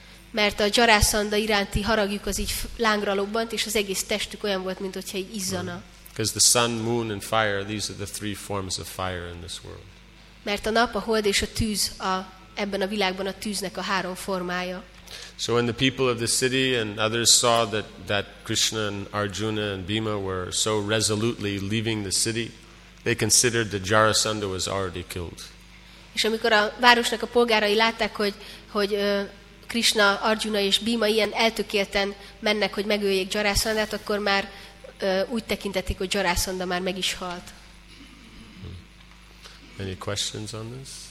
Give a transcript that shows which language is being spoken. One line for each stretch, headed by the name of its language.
Hungarian: Mert a Jarasandha iránti haragjuk az így lángra lobbant, és az egész testük olyan volt, mint hogyha így izzana.
English: Because the sun, moon and fire, these are the three forms of fire in this world.
Hungarian: Mert a nap, a hold és a tűz ebben a világban a tűznek a három formája.
English: So when the people of the city and others saw that Krishna and Arjuna and Bhima were so resolutely leaving the city, they considered that Jarasandha was already killed.
Hungarian: És amikor a városnak a polgárai látták, hogy Krishna, Arjuna és Bhima ilyen eltökélten mennek, hogy megöljék Jarasandhát, akkor már úgy tekintették, hogy Jarasandha már meg is halt.
English: Any questions on this?